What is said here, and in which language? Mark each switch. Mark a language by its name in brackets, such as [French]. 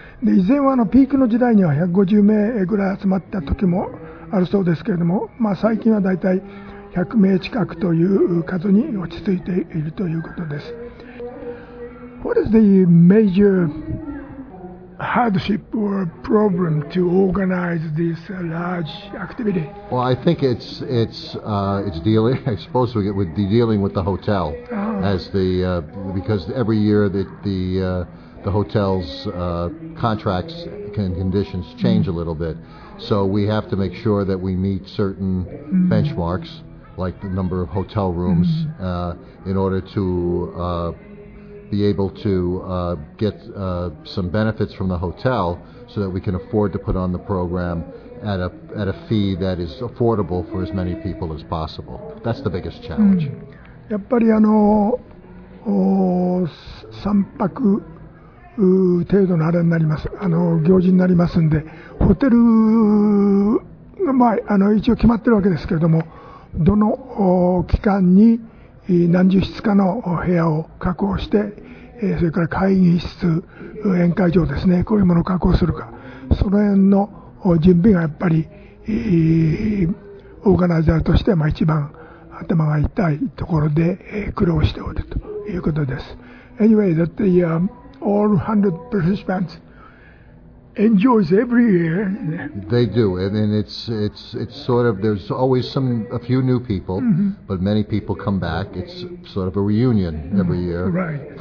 [Japanese] で、以前はピークの時代には150名ぐらい集まった時もあるそうですけれども、まあ、最近はだいたい100名近くという数に落ち着いているということです。 [English] What is the major hardship or problem to organize this large activity? Well, I think it's dealing with the hotel as the because every year the hotel's contracts and conditions change a little bit, so we have to make sure that we meet certain benchmarks. Like the number of hotel rooms, in order to be able to get some benefits from the hotel, so that we can afford to put on the program at a fee that is affordable for as many people as possible. That's the biggest challenge. [Japanese] やっぱり三泊程度のあれになります。行事になりますんで、ホテルの前一応決まってるわけですけれども。どの期間に何十室かの部屋を確保して、それから会議室、宴会場ですね、こういうものを確保するか、その辺の準備がやっぱり、オーガナイザーとしては一番頭が痛いところで苦労しておるということです。 [English] Anyway, that the all 100 participants enjoys every year. They do, and it's sort of, there's always a few new people, mm-hmm. but many people come back. It's sort of a reunion every year. Right.